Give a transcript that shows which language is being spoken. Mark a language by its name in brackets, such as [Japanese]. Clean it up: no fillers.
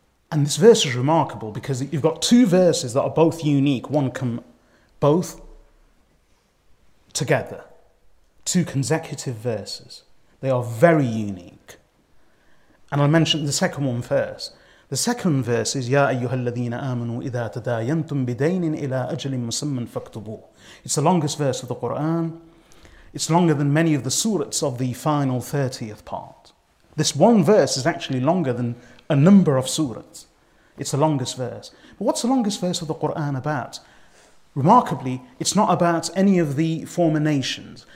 [English] And this verse is remarkable because you've got two verses that are both unique. One come both together. Two consecutive verses. They are very unique. And I'll mention the second one first. The second verse is, [Arabic] يَا أَيُّهَا الَّذِينَ آمَنُوا إِذَا تَدَايَنْتُمْ بِدَيْنٍ إِلَىٰ أَجَلٍ مُسَمَّنْ فَاكْتُبُوا. [English] It's the longest verse of the Qur'an. It's longer than many of the surahs of the final 30th part. This one verse is actually longer than a number of surahs. It's the longest verse. But what's the longest verse of the Qur'an about? Remarkably, it's not about any of the former nations.